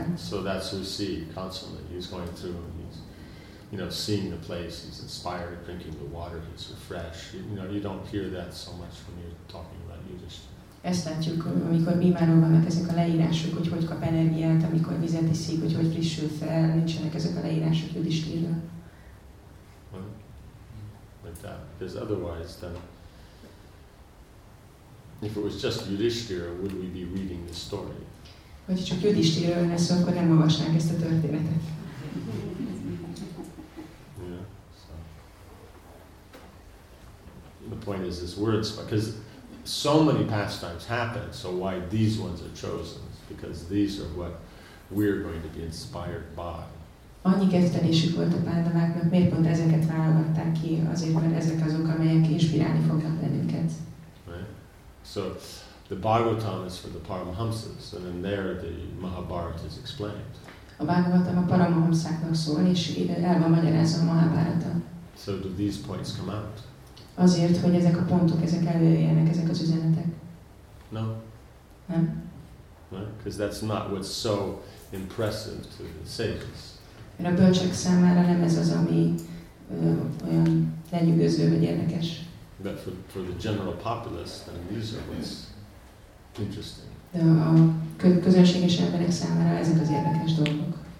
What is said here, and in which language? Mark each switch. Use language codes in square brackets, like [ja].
[en] So that's who we see constantly. He's going through and he's, you know, seeing the place. He's inspired, drinking the water. He's refreshed. You know, you don't hear that so much when you're talking about Yudhisthira. [hu] Ezt látjuk, amikor Bhimáról vannak ezek a leírások, hogy hogy kap energiát, amikor vizet iszik, hogy hogy frissül fel. Nincsenek ezek a leírások Yudhisthiről. [en] That. Because otherwise, then, if it was just Yudhisthira, would we be reading this story? [hu] Hogyha csak Yudhisthira lenne szó, akkor nem olvasnánk ezt a történetet. [en] Yeah, so. The point is, these words, because so many pastimes happen, so why these ones are chosen? Because these are what we're going to be inspired by. [hu] Annyi kezdelésük volt a pándaváknak, miért pont ezeket válogatták ki? Azért, mert ezek azok, amelyek inspirálni fognak bennünket. [en] Right. So, the Bhagavatam is for the Paramahamsas, and in there the Mahabharata is explained. [hu] A Bhagavatam a Paramahamsáknak szól, és el van magyarázva a Mahabharata. [en] So do these points come out? [hu] Azért, hogy ezek a pontok, ezek előjönnek, ezek az üzenetek. [en] No. [hu] Nem. [en] Right. Because that's not what's so impressive to the sages. [hu] Mert a bölcsek számára nem ez az, ami olyan lenyűgöző, vagy érdekes. [en] But for the general populace, then these are what's interesting. [hu] De a közönséges emberek számára ezek az érdekes dolgok.